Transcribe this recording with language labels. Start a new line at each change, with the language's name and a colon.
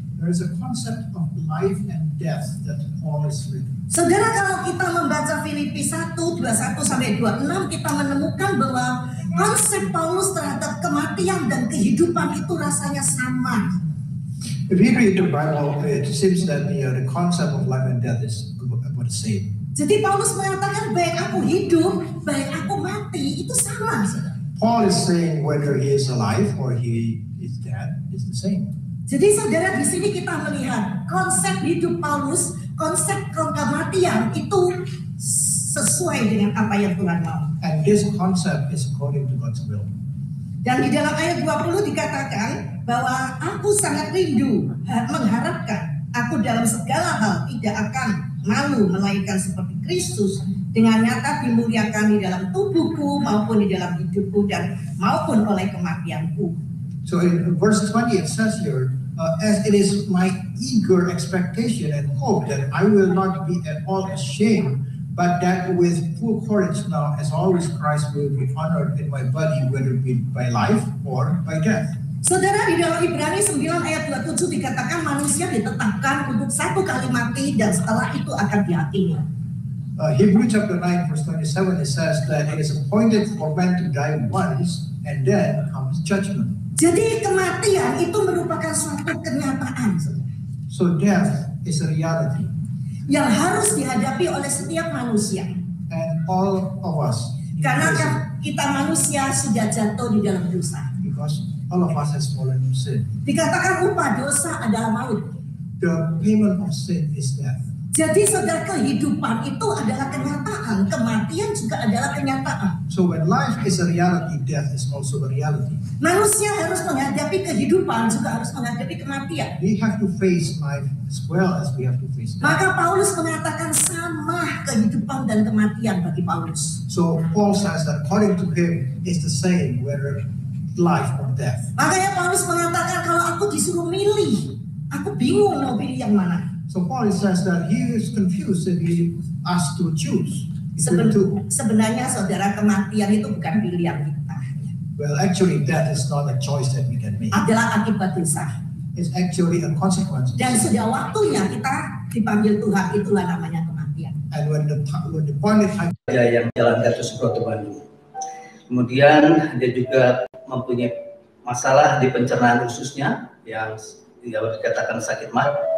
English: There is a concept of life and death that Paul is reading.
Indonesian: Saudara, kalau kita membaca Filipi 1:21-26, kita menemukan bahwa konsep Paulus terhadap kematian dan kehidupan itu rasanya sama.
English: If you read the Bible, it seems that the concept of life and death is about the same.
Indonesian: Jadi Paulus mengatakan baik aku hidup, baik aku mati, itu sama.
English: Paul is saying whether he is alive or he is dead is the same.
Indonesian: Jadi saudara, di sini kita melihat konsep hidup Paulus, konsep kematian itu sesuai dengan apa yang Tuhan mau.
English: And this concept is according to God's will.
Indonesian: Dan di dalam ayat 20 dikatakan bahwa aku sangat rindu mengharapkan aku dalam segala hal tidak akan malu melainkan seperti Kristus dengan nyata dimuliakan di dalam tubuhku maupun di dalam hidupku dan maupun oleh kematianku.
English: So in verse 20 it says here, as it is my eager expectation and hope that I will not be at all ashamed, but that with full courage now, as always, Christ will be honored in my body, whether it be by life or by death.
Indonesian: Saudara, di dalam Ibrani 9 ayat 27 dikatakan manusia ditetapkan untuk satu kali mati dan setelah itu akan diakhirnya.
English: Hebrews chapter 9 verse 27 it says that it is appointed for man to die once and then comes judgment.
Indonesian: Jadi kematian itu merupakan suatu kenyataan.
English: So death is a reality.
Indonesian: Yang harus dihadapi oleh setiap manusia.
English: And all of us.
Indonesian: Karena kita manusia sudah jatuh di dalam dosa.
English: Because all of us has fallen into sin.
Indonesian: Dikatakan upah dosa adalah maut.
English: The payment of sin is death.
Indonesian: Jadi saudara, kehidupan itu adalah kenyataan, kematian juga adalah kenyataan.
English: So when life is a reality, death is also a reality.
Indonesian: Manusia harus menghadapi kehidupan juga harus menghadapi kematian.
English: We have to face life as well as we have to face death.
Indonesian: Maka Paulus mengatakan sama kehidupan dan kematian bagi Paulus.
English: So Paul says that according to him is the same whether life or death.
Indonesian: Makanya Paulus mengatakan kalau aku disuruh milih, aku bingung mau pilih yang mana.
English: So Paul says that he is confused if he asked to choose.
Indonesian: Sebenarnya saudara, kematian itu bukan pilihan kita.
English: Well, actually death is not a choice that we can make.
Indonesian: Adalah akibat dosa.
English: It's actually a consequence.
Indonesian: Dan sudah waktunya kita dipanggil Tuhan, itulah namanya kematian.
English: And when the point is high.
Indonesian: Ada yang jalan dari sebuah tuan. Kemudian dia juga mempunyai masalah di pencernaan ususnya yang dia dikatakan sakit mah.